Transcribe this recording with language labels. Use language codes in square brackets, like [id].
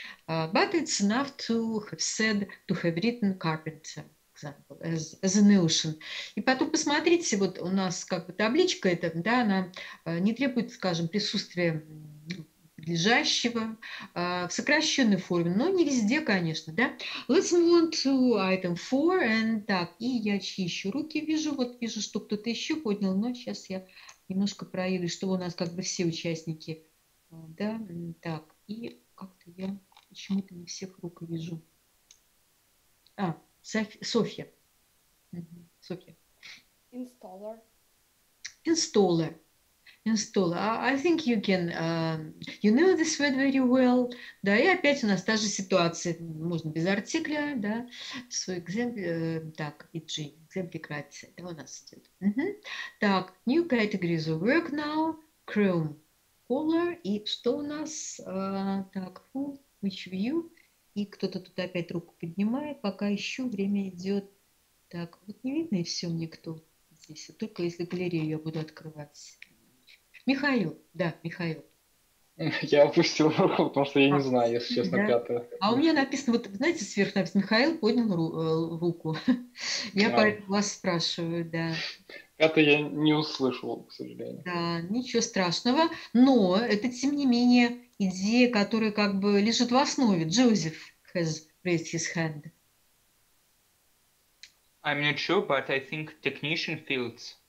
[en] But it's enough to have said, to have written carpenter, example, as a notion. [ru] И потом посмотрите, вот у нас как бы табличка эта, да, она не требует, скажем, присутствия подлежащего в сокращенной форме, но не везде, конечно, да. [en] Let's move on to item four, and [ru] так, и я чищу руки, вижу, вот вижу, что кто-то еще поднял, но сейчас я немножко проеду, что у нас как бы все участники, да, так, и как-то я почему-то не всех рук вижу. А, Софья. Угу, Софья. [en] Installer. Installer. I think you can, you know this word very well. [ru] Да, и опять у нас та же ситуация, можно без артикля, да, [en] so example, [ru] так, EG. Декорация. Это у нас идет. Uh-huh. Так, [en] new categories of work now. Chrome color. [ru] И что у нас? Так, [en] who, which view? [ru] И кто-то тут опять руку поднимает. Пока еще время идет. Так, вот не видно и все никто здесь. А только если галерею я буду открывать. Михаил. Да, Михаил. Я опустил руку, потому что я не знаю, если честно, да. Пятое. А у меня написано, вот знаете, сверху написано, Михаил поднял руку. Я вас спрашиваю, да. Пятое я не услышал, к сожалению. Да, ничего страшного. Но это, тем не менее, идея, которая как бы лежит в основе. [en] Joseph has raised his hand. I'm not sure, but I think technician fields.